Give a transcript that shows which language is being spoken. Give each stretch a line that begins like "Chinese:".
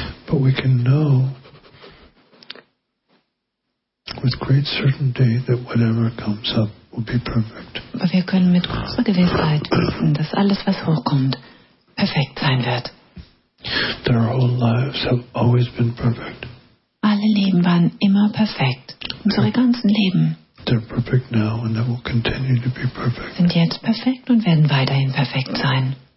English: But we can know with great certainty that whatever comes up will be perfect.
German: Aber wir können mit großer Gewissheit wissen, dass alles, was hochkommt, perfekt sein wird.
English: Their whole lives have always been perfect.
German: Alle Leben waren immer perfekt. Unsere ganzen Leben.
English: They're perfect now and they will continue to be perfect.
German: Sind jetzt perfekt und werden weiterhin perfekt sein.